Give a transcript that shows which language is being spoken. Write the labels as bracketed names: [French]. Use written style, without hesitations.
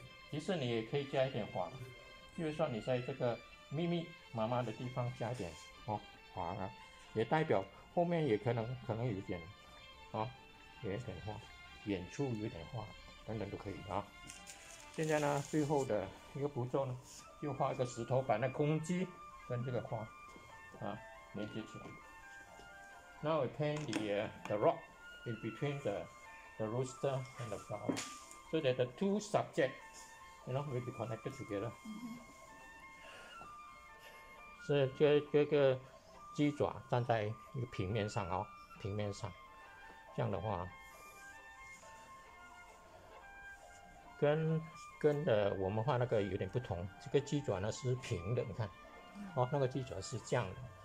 [Chinese] 其实你也可以加一点黄，就是说你在这个密密麻麻的地方加一点哦黄啊，也代表后面也可能有点啊有点花，远处有点花等等都可以啊。现在呢最后的一个步骤呢就画一个石头把那公鸡跟这个花啊连接起来。 [English] Now we paint the rock in between the rooster and the flower, so that the two subjects, you know, will be connected together. [Chinese] 是这个鸡爪站在一个平面上哦，平面上，这样的话，跟的我们画那个有点不同。这个鸡爪呢是平的，你看，哦，那个鸡爪是这样的。